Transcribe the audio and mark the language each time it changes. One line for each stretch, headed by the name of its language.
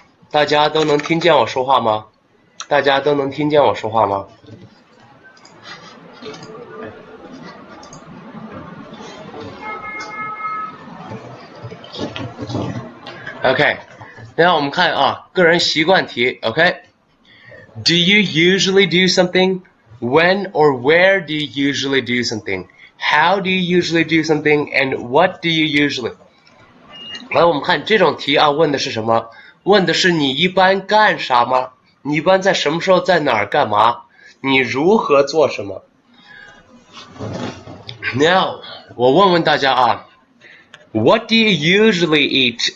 Chinese: 大家都能听见我说话吗？大家都能听见我说话吗？ OK， 那我们看啊，个人习惯题。
English: OK， Do you usually do something？ When or where do you usually do something? How do you usually do something? And what do you usually?
Chinese: 来，我们看这种题啊，问的是什么？问的是你一般干啥吗？你一般在什么时候在哪儿干嘛？你如何做什么？
English: Now，
Chinese: 我问问大家啊，
English: What do you usually eat?